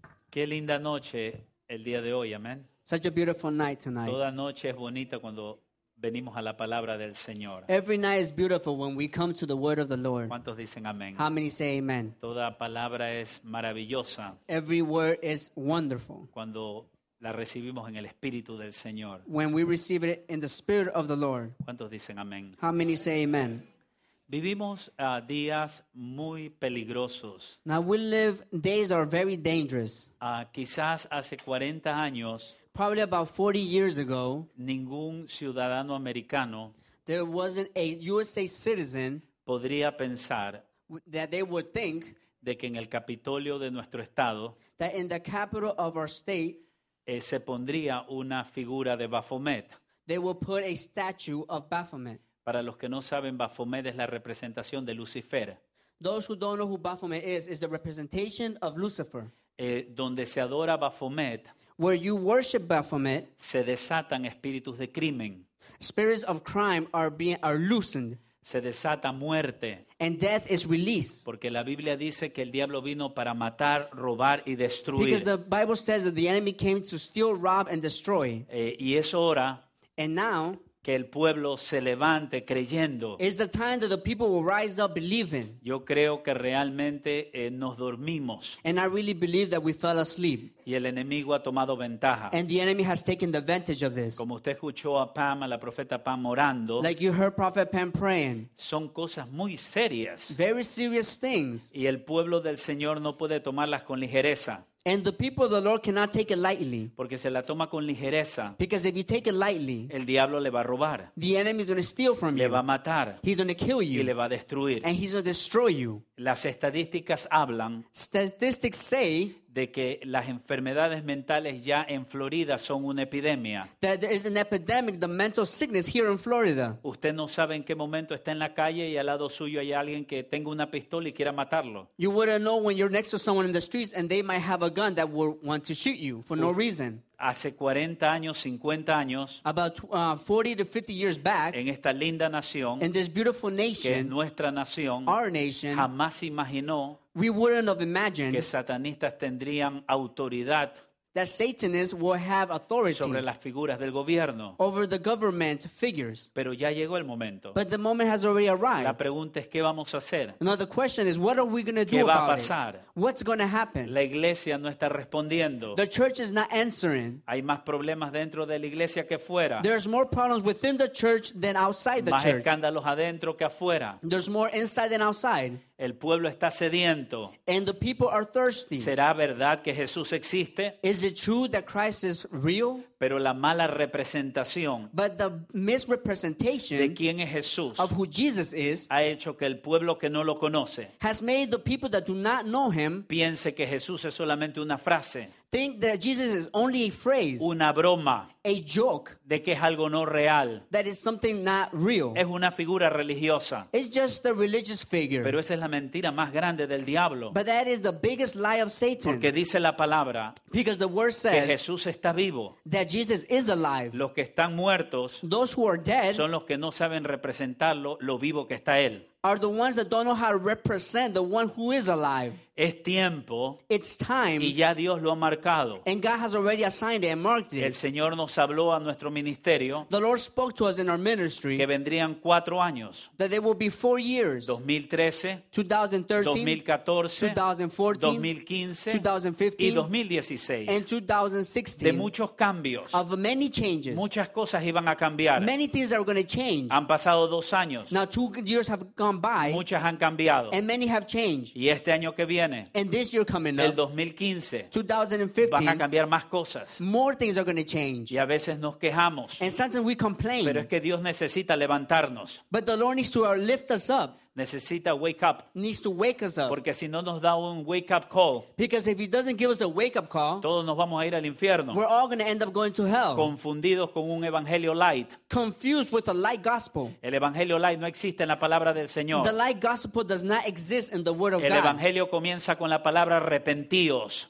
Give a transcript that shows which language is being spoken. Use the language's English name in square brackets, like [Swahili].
[Spanish] Qué linda noche el día de hoy, amén. [English] Such a beautiful night tonight. [Spanish] Toda noche es bonita cuando venimos a la palabra del Señor. [English] Every night is beautiful when we come to the word of the Lord. [Spanish] ¿Cuántos dicen amén? [English] How many say amen? [Spanish] Toda palabra es maravillosa. [English] Every word is wonderful. [Spanish] Cuando la recibimos en el Espíritu del Señor. [English] When we receive it in the Spirit of the Lord. [Spanish] ¿Cuántos dicen amén? [English] How many say amen? [Spanish] Vivimos días muy peligrosos. [English] Now we live days that are very dangerous. [Spanish] Quizás hace 40 años. [English] Probably about 40 years ago. [Spanish] Ningún ciudadano americano. [English] There wasn't a USA citizen. [Spanish] Podría pensar. [English] That they would think. [Spanish] De que en el Capitolio de nuestro estado. [English] That in the capital of our state. [Spanish] Se pondría una figura de Baphomet. [English] They will put a statue of Baphomet. [Spanish] Para los que no saben, Baphomet es la representación de Lucifer. [English] Those who don't know who Baphomet is the representation of Lucifer. [Spanish] Donde se adora Baphomet, [English] where you worship Baphomet, [Spanish] se desatan espíritus de crimen. [English] Spirits of crime are loosened. [Spanish] Se desata muerte. [English] And death is released. [Spanish] Porque la Biblia dice que el diablo vino para matar, robar y destruir. [English] Because the Bible says that the enemy came to steal, rob and destroy. [Spanish] Y es hora. [English] And now. [Spanish] Que el pueblo se levante creyendo. [English] It's the time that the people will rise up believing. [Spanish] Yo creo que realmente nos dormimos. [English] And I really believe that we fell asleep. [Spanish] Y el enemigo ha tomado ventaja. [English] And the enemy has taken advantage of this. [Spanish] Como usted escuchó a Pam, a la profeta Pam orando. [English] Like you heard Prophet Pam praying. [Spanish] Son cosas muy serias. [English] Very serious things. [Spanish] Y el pueblo del Señor no puede tomarlas con ligereza. [English] And the people of the Lord cannot take it lightly. [Spanish] Porque se la toma con ligereza. [English] Because if you take it lightly, [Spanish] el diablo le va a robar. [English] The enemy is going to steal from [Spanish] you. Le va a matar. [English] He's going to kill you. [Spanish] Y le va a destruir. [English] And he's going to destroy you. [Spanish] Las estadísticas hablan. [English] Statistics say. [Spanish] De que las enfermedades mentales ya en Florida son una epidemia. [English] That there is an epidemic, the mental sickness here in Florida. [Spanish] Usted no sabe en qué momento está en la calle y al lado suyo hay alguien que tenga una pistola y quiera matarlo. [English] You wouldn't know when you're next to someone in the streets and they might have a gun that would want to shoot you for no reason. [Spanish] Hace 40 años, 50 años. [English] About 40 to 50 years back. [Spanish] En esta linda nación. [English] In this beautiful nation. [Spanish] Que es nuestra nación. [English] Our nation. [Spanish] Jamás imaginó. [English] We wouldn't have imagined [Spanish] que satanistas tendrían autoridad [English] that Satanists would have authority [Spanish] sobre las figuras del gobierno. [English] Over the government figures. [Spanish] Pero ya llegó el momento. [English] But the moment has already arrived. [Spanish] La pregunta es, ¿qué vamos a hacer? [English] Now the question is, what are we going to do [Spanish] ¿qué va [English] about [Spanish] a pasar? [English] It? What's going to happen? [Spanish] La iglesia no está respondiendo. [English] The church is not answering. [Spanish] Hay más problemas dentro de la iglesia que fuera. [English] There's more problems within the church than outside the [Spanish] más [English] church. [Spanish] Más escándalos adentro que afuera. [English] There's more inside than outside. [Spanish] El pueblo está sediento. [English] And the people are thirsty. [Spanish] ¿Será verdad que Jesús existe? [English] Is it true that Christ is real? [Spanish] Pero la mala representación [English] but the misrepresentation [Spanish] de quién es Jesús [English] of who Jesus is [Spanish] ha hecho que el pueblo que no lo conoce [English] has made the people that do not know him [Spanish] piense que Jesús es solamente una frase [English] think that Jesus is only a phrase [Spanish] una broma [English] a joke [Spanish] de que es algo no real [English] that is something not real [Spanish] es una figura religiosa [English] it's just a religious figure [Spanish] pero esa es la mentira más grande del diablo [English] but that is the biggest lie of Satan [Spanish] porque dice la palabra [English] because the word says [Spanish] que Jesús está vivo [English] that Jesus is alive. [Spanish] Los que están muertos [English] those who are dead [Spanish] son los que no saben representarlo, lo vivo que está él. [English] Are the ones that don't know how to represent the one who is alive. [Spanish] Es tiempo, [English] it's time [Spanish] y ya Dios lo ha marcado. [English] And God has already assigned it and marked it. [Spanish] El Señor nos habló a nuestro ministerio [English] the Lord spoke to us in our ministry [Spanish] que vendrían 4 años [English] that there will be 4 years 2013 2014 2015 2016 [Spanish] y 2016 de muchos cambios [English] of many changes [Spanish] muchas cosas iban a cambiar [English] many things are going to change [Spanish] han pasado 2 años [English] now 2 years have gone by [Spanish] muchas han cambiado [English] and many have changed [Spanish] y este año que viene [English] and this year coming up [Spanish] el 2015 [English] 2015 [Spanish] van a cambiar más cosas [English] more things are going to change [Spanish] y a veces nos quejamos [English] and sometimes we complain [Spanish] pero es que Dios necesita levantarnos [English] but the Lord needs to lift us up [Spanish] Necesita [English] wake up. Needs to wake us up. [Spanish] Porque si no nos da un [English] wake up call. Because if he doesn't give us a wake up call. [Spanish] Todos nos vamos a ir al infierno. [English] We're all going to end up going to hell. [Spanish] Confundidos con un evangelio light. [English] Confused with a light gospel. [Spanish] El evangelio light no existe en la palabra del Señor. [English] The light gospel does not exist in the word of [Spanish] God. El evangelio comienza con la palabra arrepentidos.